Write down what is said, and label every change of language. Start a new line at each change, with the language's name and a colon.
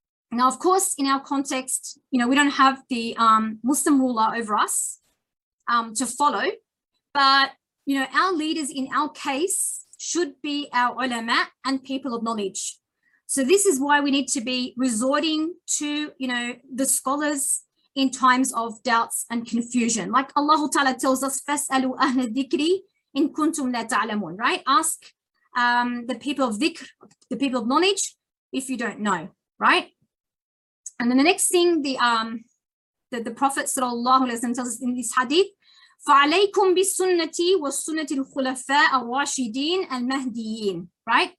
English: Now, of course, in our context, you know, we don't have the Muslim ruler over us to follow, but you know, our leaders in our case should be our ulama and people of knowledge. So this is why we need to be resorting to, you know, the scholars in times of doubts and confusion. Like Allah Ta'ala tells us,
Arabic: فَاسْأَلُوا أَهْلَ الذِّكْرِ إِن كُنْتُمْ لَا تَعْلَمُونَ, right?
English: Ask the people of dhikr, the people of knowledge, if you don't know, right? And then the next thing, the Prophet sallallahu alaihi wasallam tells us in this hadith,
Arabic: فَعَلَيْكُمْ بِسُنَّتِي وَسُنَّةِ الْخُلَفَاءَ الرَّاشِدِينَ الْمَهْدِيِينَ,
English: right?